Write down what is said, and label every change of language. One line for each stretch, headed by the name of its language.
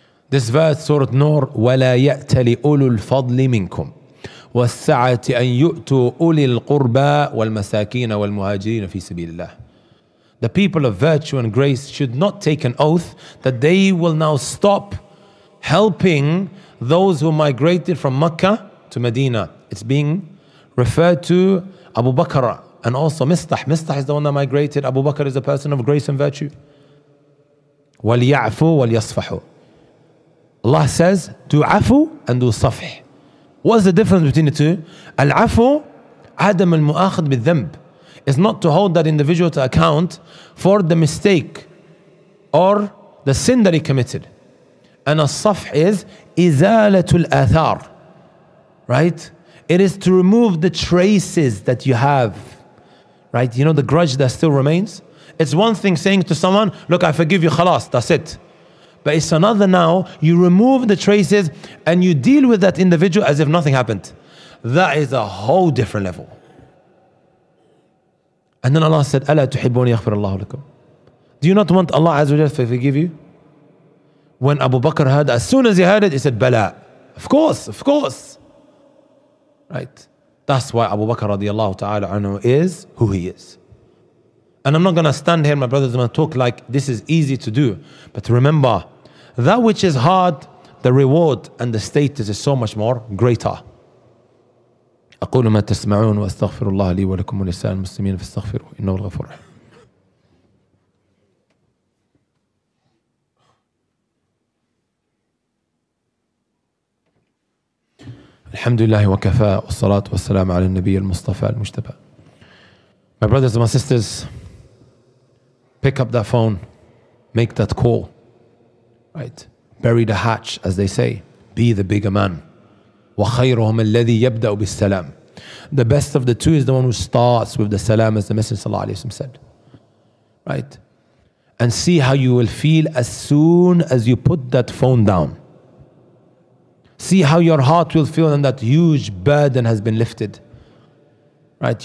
English: This verse,
Arabic: Surah Nur, وَلَا يَأْتَلِ أُولُو الْفَضْلِ مِنْكُمْ وَالسَّعَةِ أَن يُؤْتُوا أُولِي الْقُرْبَى وَالْمَسَاكِينَ وَالْمُهَاجِرِينَ فِي سَبِيلِ اللَّهِ.
English: The people of virtue and grace should not take an oath that they will now stop helping those who migrated from Mecca to Medina. It's being referred to Abu Bakr and also Mistah. Mistah is the one that migrated. Abu Bakr is a person of grace and virtue.
Arabic: وَلْيَعْفُوا وَلْيَصْفَحُوا.
English: Allah says, do afu and do safih. What's the difference between the two?
Arabic: Al-afu, adam al-mu'akhad bil-dhanb.
English: It's not to hold that individual to account for the mistake or the sin that he committed. And as-safh is
Arabic: izalatul athar.
English: Right? It is to remove the traces that you have. Right? You know the grudge that still remains? It's one thing saying to someone, look, I forgive you, khalas, that's it. But it's another now, you remove the traces and you deal with that individual as if nothing happened. That is a whole different level. And then Allah said,
Arabic: أَلَا تُحِبُونِ يَغْفِرَ اللَّهُ لَكُمْ.
English: Do you not want Allah Azza wa Jalla to forgive you? When Abu Bakr heard, as soon as he heard it, he said,
Arabic: بَلَا.
English: Of course, of course. Right? That's why Abu Bakr radiallahu ta'ala anhu is who he is. And I'm not going to stand here, my brothers, and talk like this is easy to do. But remember, that which is hard, the reward and the status is so much more greater.
Arabic: أقول ما تسمعون وأستغفر الله لي ولكم ولسائر المسلمين فاستغفروا إنه الغفور. الحمد لله وكفى والصلاة والسلام على النبي المصطفى المجتبى.
English: My brothers and my sisters, pick up that phone, make that call, right? Bury the hatch, as they say. Be the bigger man.
Arabic: وخيرهم الذي يبدأ بالسلام.
English: The best of the two is the one who starts with the salam, as the Messenger sallallahu alayhi wa sallam said. Right? And see how you will feel as soon as you put that phone down. See how your heart will feel and that huge burden has been lifted. Right?